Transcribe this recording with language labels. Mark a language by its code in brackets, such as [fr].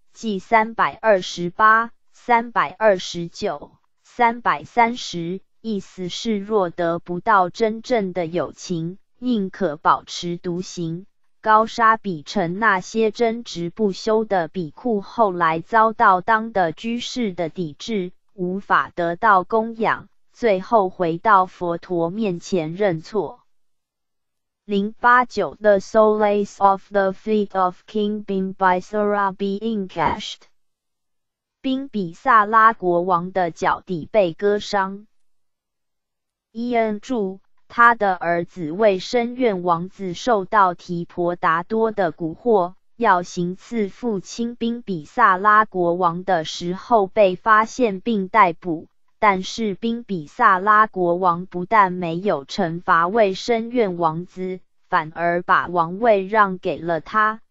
[zh] 记328 329 330，意思是若得不到真正的友情，宁可保持独行。高沙比城那些争执不休的比库后来遭到当地居士的抵制，无法得到供养，最后回到佛陀面前认错。 [en] 089 The Soles of the Feet of King Bimbisara being cached， [zh] 宾比萨拉国王的脚底被割伤。伊恩著，他的儿子为申愿王子受到提婆达多的蛊惑，要行刺父亲宾比萨拉国王的时候被发现并逮捕，但是宾比萨拉国王不但没有惩罚为申愿王子，反而把王位让给了他。